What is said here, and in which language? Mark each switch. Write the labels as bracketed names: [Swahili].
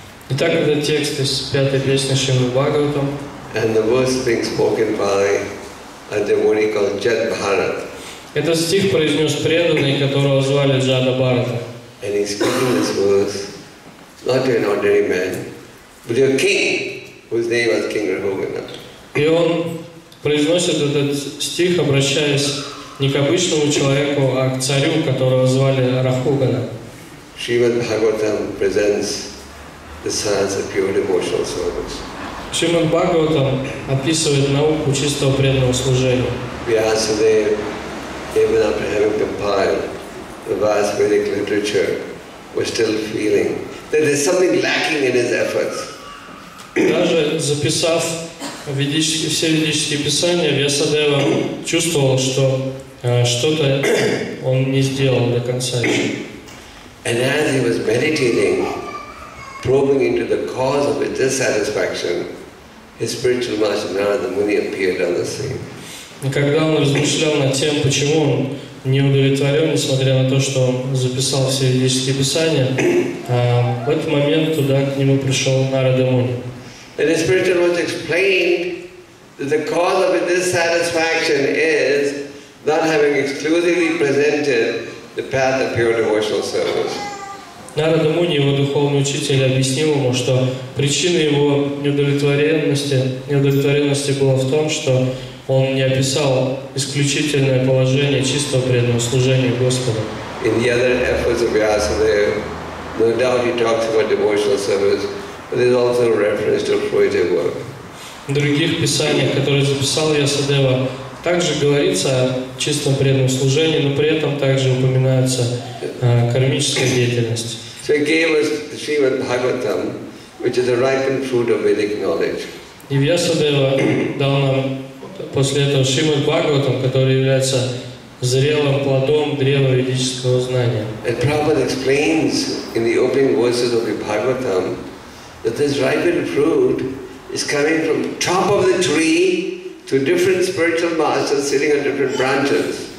[Russian] Итак, это текст из пятой песни Шримад Бхагаватам. [English] And the verse being spoken by a devotee called Jad Bharat. [Russian] Это стих произнес преданный, которого звали Джада Бхарата. [English] And he's speaking this verse not to an ordinary man, but to a king whose name was King Rahugana. [Russian] И он произносит этот стих, обращаясь не к обычному человеку, а к царю, которого звали Рахугана. [English] Shrimad Bhagavatam presents the science of pure devotional service. [Russian] Shrimad Bhagavatam описывает науку чистого преданного служения. [English] We ask today, even after having compiled the vast Vedic literature, we're still feeling that there's something lacking in his efforts. [Russian] Даже записав все ведические писания, Вьясадева чувствовал, что что-то он не сделал до конца. [English] And as he was meditating, probing into the cause of his dissatisfaction, his spiritual master Narada Muni appeared on the scene. [Russian] И когда он размышлял над тем, почему он не удовлетворен, несмотря на то, что он записал все ведические писания, в этот момент туда к нему пришел Нарада Муни. [English] And his spiritual master explained that the cause of his dissatisfaction is not having exclusively presented the path of pure devotional service. [Russian] Нарада Муни, его духовный учитель, объяснил ему, что причина его неудовлетворенности была в том, что он не описал исключительное положение чистого преданного служения Господу. [English] In the other efforts of Vyasadeva, no doubt he talks about devotional service, but there's also a reference to fruitive work. [Russian] В других писаниях, которые записал Вьясадева, также говорится о чистом преданном служении, но при этом также упоминается кармическая деятельность. [English] So he gave us the Srimad Bhagavatam, which is a ripened fruit of Vedic knowledge. [Russian] И Вьясадева дал нам после этого Шримад Бхагаватам, который является зрелым плодом древа ведического знания. [English] And Prabhupada explains in the opening verses of the Bhagavatam that this ripened fruit is coming from top of the tree to different spiritual masters sitting on different branches.